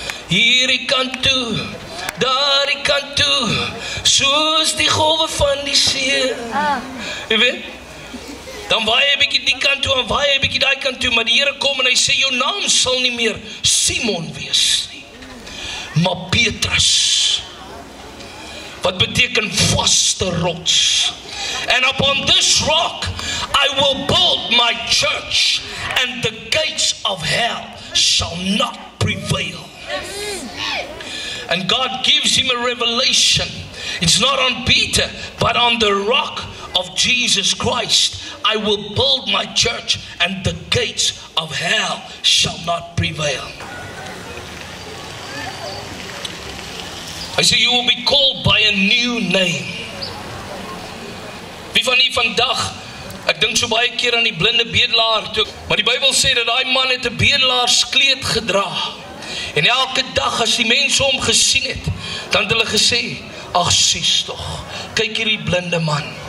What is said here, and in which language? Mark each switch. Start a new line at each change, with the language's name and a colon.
Afrikaans: Hierdie kant toe, daardie kant toe, soos die golwe van die see. Jy weet, dan waai hy 'n bietjie die kant toe, en waai hy 'n bietjie daai kant toe, maar die Here kom en hy sê, jou naam sal nie meer Simon wees nie, maar Petrus. Wat beteken vaste rots.
English: And upon this rock, I will build my church, and the gates of hell shall not prevail. And God gives him a revelation. It's not on Peter, but on the rock of Jesus Christ. I will build my church and the gates of hell shall not prevail. I say you will be called by a new name.
Afrikaans: Wie van u vandag, ek dink so baie keer aan die blinde bedelaar toe, maar die Bybel sê dat daai man het 'n bedelaarskleed gedra. En elke dag as die mense hom gesien het, dan het hulle gesê, ag sies tog, kyk hierdie blinde man.